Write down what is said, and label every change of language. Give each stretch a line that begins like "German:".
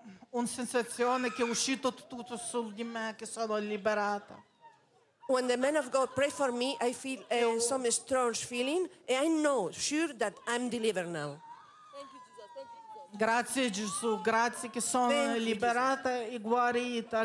Italian: Una sensazione che è uscito tutto su di me, che sono liberata.
English: When the man of God prayed for me, I feel some strange feeling, and I know, sure, that I'm delivered now.
Italian: Grazie Gesù, grazie che sono liberata e guarita.